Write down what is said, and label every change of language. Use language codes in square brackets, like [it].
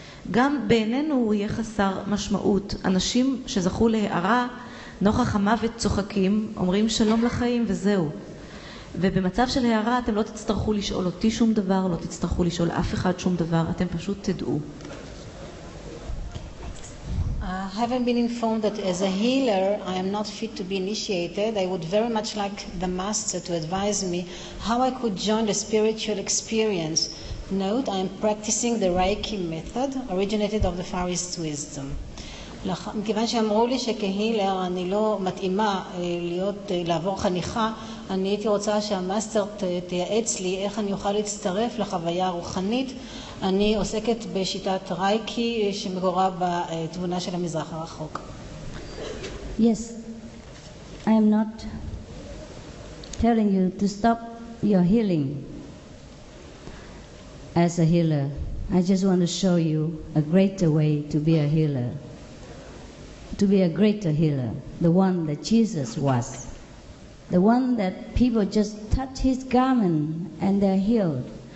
[he] גם בעינינו הוא יהיה חסר משמעות. אנשים שזכו להערה, נוכח המוות צוחקים, אומרים שלום לחיים וזהו. ובמצב של הערה אתם לא תצטרכו לשאול אותי שום דבר, לא תצטרכו לשאול אף אחד שום דבר, אתם פשוט תדעו. [en] I haven't been informed that as a healer I am not fit to be initiated. I would very much like the master to advise me how I could join the spiritual experience. Note, I am practicing the Reiki method originated of the Far East wisdom. [he] מכיוון שאמרו לי שכהילר אני לא מתאימה להיות, לעבור חניכה, אני הייתי רוצה שהמאסטר תייעץ לי איך אני אוכל להצטרף לחוויה הרוחנית. אני עוסקת בשיטת רייקי שמגורה בתבונה של המזרח הרחוק. [en] Yes, I am not telling you to stop your healing as a healer. I just want to show you a greater way to be a healer. To be a greater healer, the one that Jesus was, the one that people just touch His garment and they're healed.